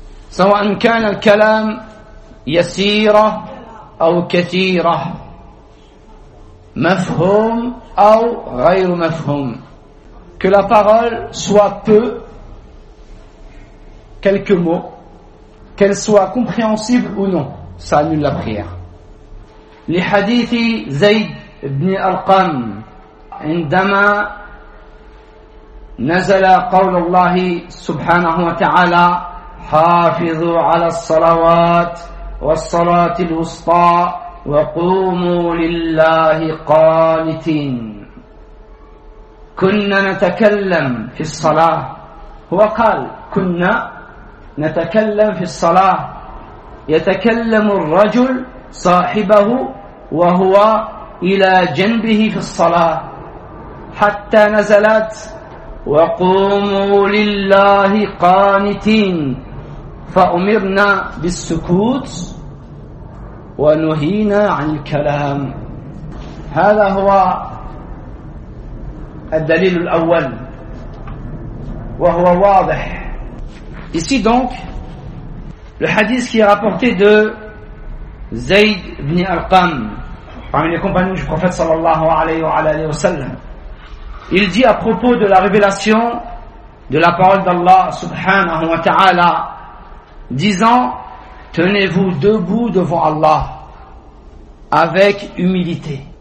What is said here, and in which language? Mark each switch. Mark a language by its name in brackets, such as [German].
[Arabic] سواء كان الكلام يسيرا أو كثيرا مفهوم أو غير مفهوم. [French] Que la parole soit peu, quelques mots, qu'elle soit compréhensible ou non, ça annule la prière. [Arabic] لحديث زيد بن أرقم عندما نزل قول الله سبحانه وتعالى حافظوا على الصلوات والصلاة الوسطى وقوموا لله قانتين. كنا نتكلم في الصلاة. هو قال كنا نتكلم في الصلاة. يتكلم الرجل صاحبه وهو إلى جنبه في الصلاة حتى نزلت وقوموا لله قانتين. فأمرنا بالسكوت ونهينا عن الكلام. هذا هو الدليل الأول وهو واضح. [French] Ici donc le hadith qui est rapporté de Zayd ibn Arqam parmi les compagnons du prophète sallallahu alayhi wa sallam. Il dit à propos de la révélation de la parole d'Allah subhanahu wa ta'ala disant: tenez-vous debout devant Allah avec humilité.